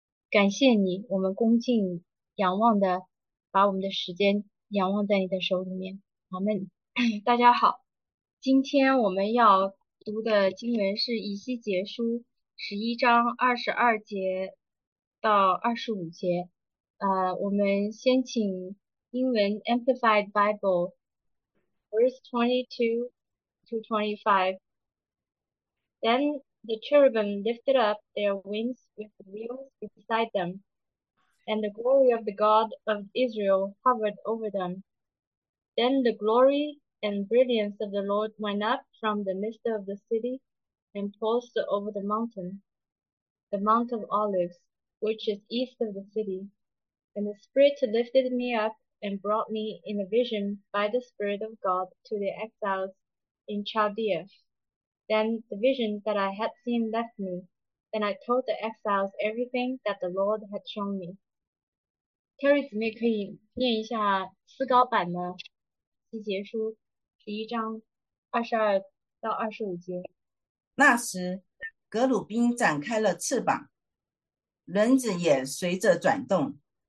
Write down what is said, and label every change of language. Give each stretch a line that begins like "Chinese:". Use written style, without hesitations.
Chinese: 感谢你，我们恭敬仰望的把我们的时间仰望在你的手里面。阿门。大家好，今天我们要读的经文是以西结书11章22节到25节。我们先请英文
English: Amplified Bible verse 22 to 25. Then the cherubim lifted up their wings with wheels beside them, and the glory of the God of Israel hovered over them. Then the glory and brilliance of the Lord went up from the midst of the city and passed over the Mount of Olives, which is east of the city. And the Spirit lifted me up and brought me in a vision by the Spirit of God to the exiles in Chaldea. Then the vision that I had seen left me, and I told the exiles everything that the Lord had shown me.
Chinese: Terry 姊妹可以念一下思高版吗？西结书11章22到25节。那时，格鲁宾展开了翅膀，轮子也随着转动。